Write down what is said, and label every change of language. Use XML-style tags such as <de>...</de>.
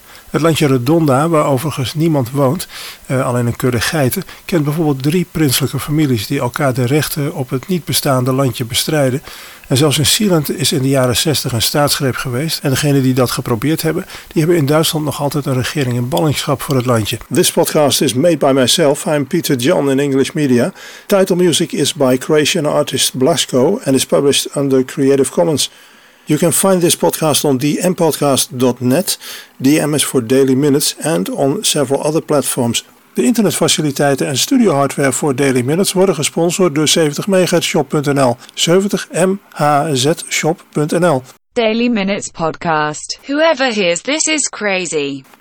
<nl>Het landje Redonda, waar overigens niemand woont, alleen een kudde geiten, kent bijvoorbeeld 3 prinselijke families die elkaar de rechten op het niet bestaande landje bestrijden. En zelfs in Sealand is in de jaren 60 een staatsgreep geweest. En degenen die dat geprobeerd hebben, die hebben in Duitsland nog altijd een regering in ballingschap voor het landje.</nl> <en>This podcast is made by myself. I'm Peter John in English Media. Title music is by Croatian artist Blasko and is published under Creative Commons. You can find this podcast on dmpodcast.net, DM is for Daily Minutes, and on several other platforms.</en> <nl>De internetfaciliteiten en studiohardware voor Daily Minutes worden gesponsord door 70MHzShop.nl, 70MHzShop.nl.</nl> <en>Daily Minutes Podcast. Whoever hears this is crazy.</en>